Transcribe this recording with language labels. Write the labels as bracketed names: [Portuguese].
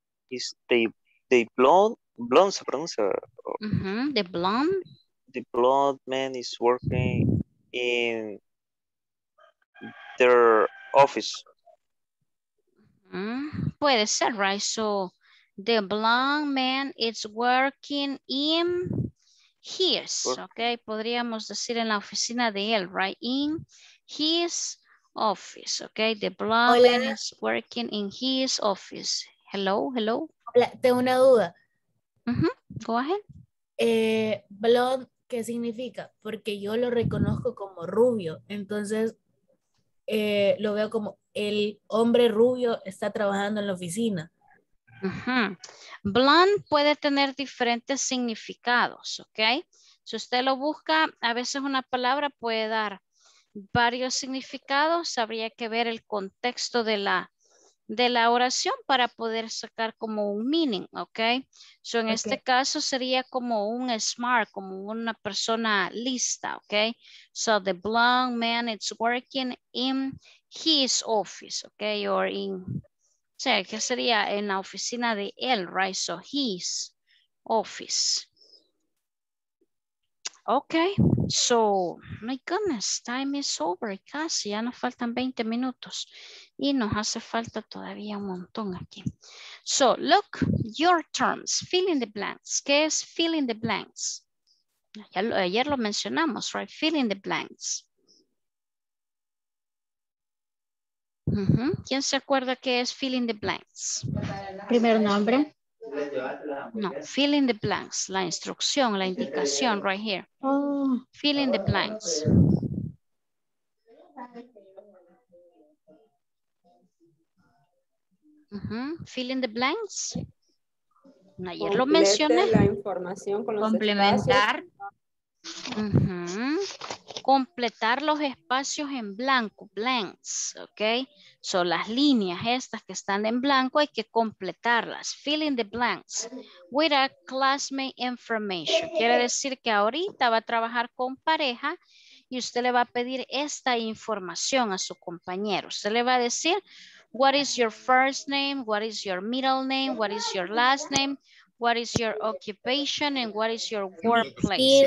[English] Is the blonde, the blonde man is working in their office. [Spanish] Puede ser, right? [English] So the blonde man is working in his, okay? [Spanish] Podríamos decir en la oficina de él, right? [English] In his office, okay? The blonde man is working in his office. Hello, hello. [Spanish] Hola, tengo una duda. [English] Go ahead. [Spanish] Blonde, ¿qué significa? Porque yo lo reconozco como rubio, entonces lo veo como el hombre rubio está trabajando en la oficina. Blonde puede tener diferentes significados, ¿ok? Si usted lo busca, a veces una palabra puede dar varios significados. Habría que ver el contexto de la oración para poder sacar como un meaning, ¿ok? So en este caso sería como un smart, como una persona lista, ¿ok? [English] So the blonde man is working in his office, ¿ok? Or in, [Spanish] o sea, que sería en la oficina de él, right? So his office. Ok, so, [English] my goodness, time is over, [Spanish] casi, ya nos faltan 20 minutos y nos hace falta todavía un montón aquí. [English] So, look, your terms, fill in the blanks. [Spanish] ¿Qué es fill in the blanks? Ayer lo mencionamos, right? [English] Fill in the blanks. [Spanish] ¿Quién se acuerda qué es fill in the blanks? Primer nombre. No, fill in the blanks, la instrucción, la indicación, right here. [English] Fill in the blanks. Fill in the blanks. [Spanish] Ayer lo mencioné. La información con los complementar. Completar los espacios en blanco, blanks, ok. Son las líneas estas que están en blanco, hay que completarlas. [English] Fill in the blanks with a classmate information. [Spanish] Quiere decir que ahorita va a trabajar con pareja y usted le va a pedir esta información a su compañero. Usted le va a decir, [English] what is your first name, what is your middle name, what is your last name, what is your occupation and what is your workplace.